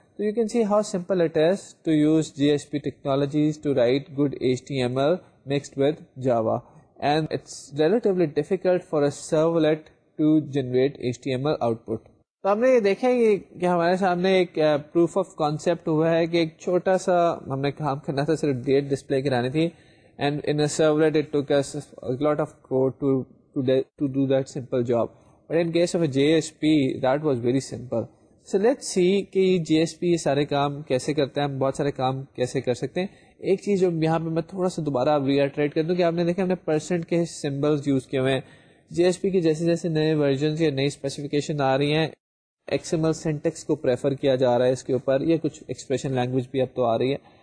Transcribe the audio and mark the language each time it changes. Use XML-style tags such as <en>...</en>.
<en>تو you can see how simple it is to use J S P technologies to write good H T M L mixed with Java, and it's relatively difficult for a servlet to generate H T M L output.</en> <ur>تو ہم نے یہ دیکھا ہے کہ ہمارے سامنے ایک پروف آف کانسیپٹ ہوا ہے کہ ایک چھوٹا سا ہم نے کام کرنا تھا, صرف ڈیٹ ڈسپلے کرانی تھی,</ur> <en>And in a servlet it took us lot of code to do that simple job. But in case of a JSP, that was very simple. So let's see</en> <ur>کہ یہ جی ایس پی یہ سارے کام کیسے کرتے ہیں, ہم بہت سارے کام کیسے کر سکتے ہیں. ایک چیز جو یہاں پہ میں تھوڑا سا دوبارہ آپ ریٹریٹ کر دوں کہ آپ نے دیکھا ہم نے پرسنٹ کے سمبلس یوز کیے ہوئے ہیں. جی ایس پی کے جیسے جیسے نئے ورژنس یا نئی اسپیسیفکیشن آ رہی ہیں, ایکس ایم ایل سینٹیکس کو پریفر کیا جا رہا ہے اس کے اوپر, یا کچھ ایکسپریشن لینگویج بھی اب تو آ رہی ہے.</ur>